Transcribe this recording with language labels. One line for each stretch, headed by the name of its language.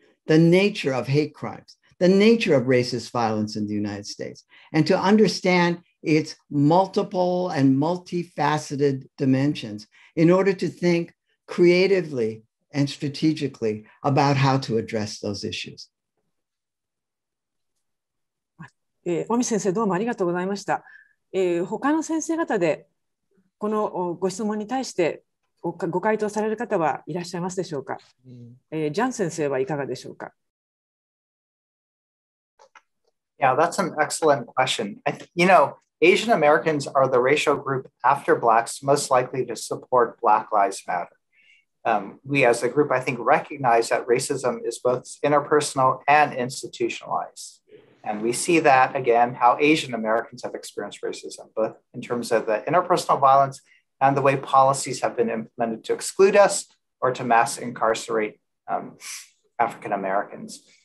English: the nature of hate crimes, the nature of racist violence in the United States, and to understand its multiple and multifaceted dimensions in order to think creatively and strategically about how to address those issues.
Japanese: 尾身先生どうもありがとうございました。他の先生方でこのご質問に対してご回答される方はいらっしゃいますでしょうか。ジャン先生はいかがでしょうか。
English: Yeah, that's an excellent question. You know, Asian Americans are the racial group after Blacks most likely to support Black Lives Matter. We as a group, I think, recognize that racism is both interpersonal and institutionalized. And we see that, again, how Asian Americans have experienced racism, both in terms of the interpersonal violence and the way policies have been implemented to exclude us or to mass incarcerate African Americans.